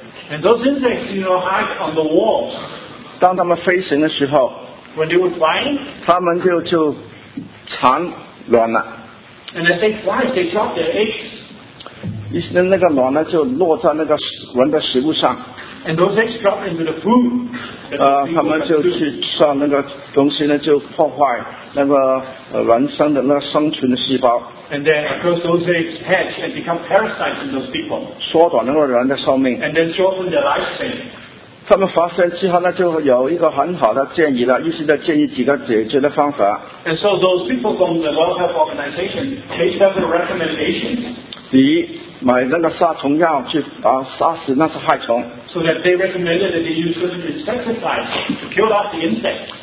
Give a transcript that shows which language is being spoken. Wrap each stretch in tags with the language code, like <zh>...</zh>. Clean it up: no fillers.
<en>And those insects, you know, hide on the walls.</en> <zh>当它们飞行的时候</zh> <en>，when they were flying,</en> <zh>它们就产卵了。</zh> <en>And as they fly, they drop their eggs.</en> <zh>于是那个卵呢就落在那个蚊的食物上。</zh> <en>And those eggs drop into the food.</en> <zh>他们就去上那个东西呢，就破坏那个卵生的那个生存的细胞。</zh> <en>And then, of course, those eggs hatch and become parasites in those people.</en> <zh>缩短那个人的寿命。</zh> <en>And then shorten their lifespan.</en> <zh>他们发现之后呢，就有一个很好的建议了，医生的建议几个解决的方法。</zh> <en>And so those people from the World Health Organization, they have a recommendation.</en> <zh>第一，买那个杀虫药去杀死那些害虫。</zh> <en>So that they recommended that they use certain insecticides to kill off the insects.</en>